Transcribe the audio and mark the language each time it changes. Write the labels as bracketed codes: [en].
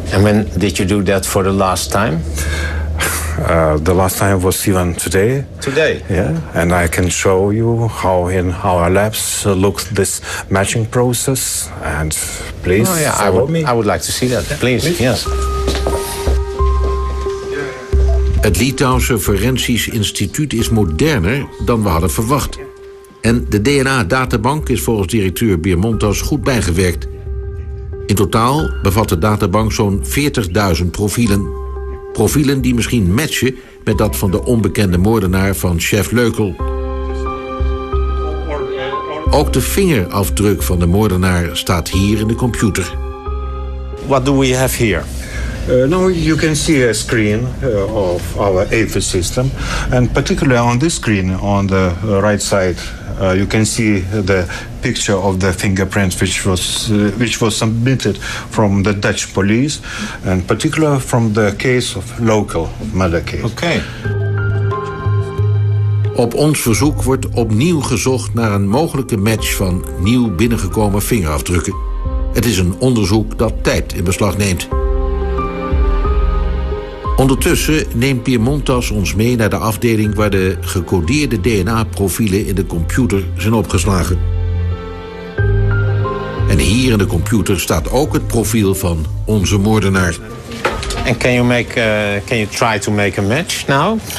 [en] And when did you do that for the last time? The last time was even today. Today? Yeah, and I can show you how in our labs looks this matching process. And please, follow me. I would like to see that, please. Yes. [nl] Het Litouwse Forensisch Instituut is moderner dan we hadden verwacht. En de DNA-databank is volgens directeur Biermontas goed bijgewerkt. In totaal bevat de databank zo'n 40.000 profielen. Profielen die misschien matchen met dat van de onbekende moordenaar van chef Leukel. Ook de vingerafdruk van de moordenaar staat hier in de computer. [en] What do we have here? Now you can see a screen of our AFIS system. And particularly on this screen, on the right side, you can see the picture of the fingerprint which was submitted from the Dutch police, and particularly from the case of local murder case. Okay. [nl] Op ons verzoek wordt opnieuw gezocht naar een mogelijke match van nieuw binnengekomen vingerafdrukken. Het is een onderzoek dat tijd in beslag neemt. Ondertussen neemt Piemontas ons mee naar de afdeling waar de gecodeerde DNA-profielen in de computer zijn opgeslagen. En hier in de computer staat ook het profiel van onze moordenaar. [en] And can you make try to make a match now?